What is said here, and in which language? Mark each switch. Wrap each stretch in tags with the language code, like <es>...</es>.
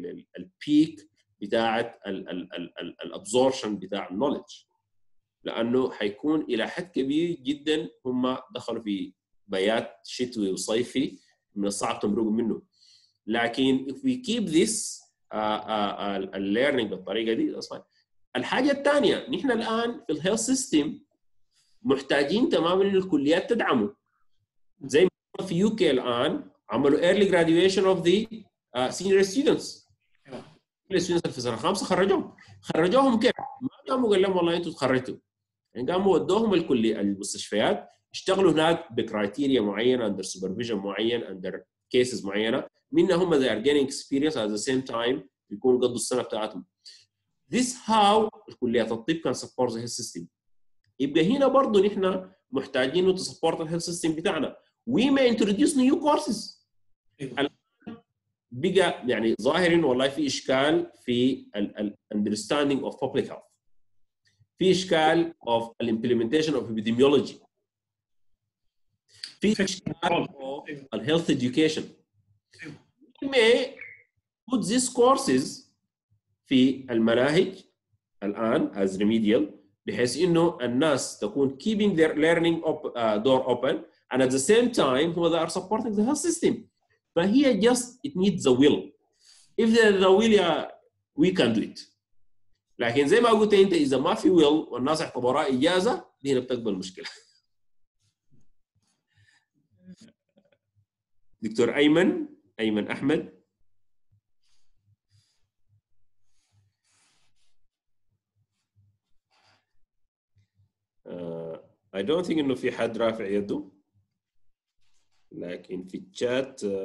<ar>للpeak بتاعة الabsorption بتاع knowledge, لأنه حيكون إلى حد كبير جدا هم دخلوا في بيات شتوي وصيفي من الصعب تمرق منه. لكن</ar> <en>if we keep this learning</en> <ar>بالطريقة دي</ar> <en>that's fine.</en> <ar>الحاجة الثانية نحن الآن في الهيلث سيستم محتاجين تماما للكليات تدعمه, زي ما في UK الآن عملوا</ar> <en>early graduation of the senior students.</en> <ar>كل students في سنة خامسة خرجوهم كيف؟ ما قاموا قال لهم والله أنتوا تخرجتوا, يعني قاموا ودوهم الكلية المستشفيات اشتغلوا هناك بكرايتيريا معينة</ar> <en>under supervision</en> <ar>معين under cases معينة, منهم</ar> <en>they are gaining experience at the same time</en> <ar>يكون قد السنة بتاعتهم.</ar> <en>This how</en> <ar>الكليات الطب</ar> <en>can support the health system.</en> <ar>يبقى هنا برضو نحنا محتاجين</ar> <en>to support the health system</en> <ar>بتاعنا.</ar> <en>We may introduce new courses.</en> <ar>بقى يعني ظاهر والله في إشكال في ال</ar> <en>understanding of public health.</en> <ar>في إشكال</ar> <en>of the implementation of epidemiology.</en> <ar>في إشكال</ar> <en>of the health education. We may put these courses</en> <ar>في المناهج الآن</ar> <en>as remedial</en> <ar>بحيث إنه الناس تكون</ar> <en>keeping their learning up, door open and at the same time who they are supporting the health system.</en> <ar>فهي</ar> <en>just it needs the will. If there is the will, yeah, we can do it.</en> <ar>لكن زي ما قلت أنت إذا ما في will والناس اعتبرها إجازة دي هنا بتقبل مشكلة. دكتور أيمن أحمد</ar> <en>I don't think</en> <ar>إنه في حد رافع يده لكن في الشات</ar>